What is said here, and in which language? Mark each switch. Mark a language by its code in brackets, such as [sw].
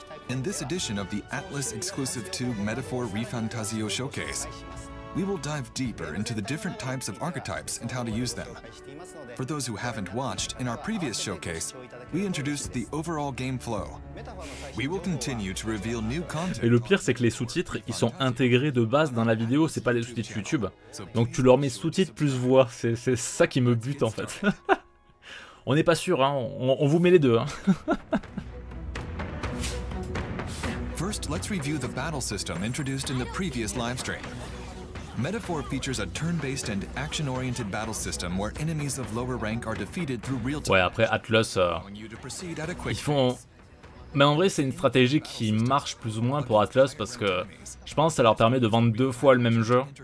[en] In this edition of the Atlus Exclusive 2 Metaphor Refantasio Showcase, we will dive deeper into the different types of archetypes and how to use them. For those who haven't watched, in our previous showcase, we introduced the overall game flow. We will continue to reveal new content. [fr] Et le pire, c'est que les sous-titres, ils sont intégrés de base dans la vidéo, c'est pas des sous-titres YouTube. Donc tu leur mets sous-titres plus voix, c'est ça qui me bute en fait. On n'est pas sûr, hein. On vous met les deux. Hein. [en] First, let's review the battle system introduced in the previous live stream. Metaphor features a turn-based and action-oriented battle system where enemies of lower rank are defeated through real-time. [fr] Ouais, après Atlus, ils font Mais en vrai, c'est une stratégie qui marche plus ou moins pour Atlus parce que je pense que ça leur permet de vendre deux fois le même jeu.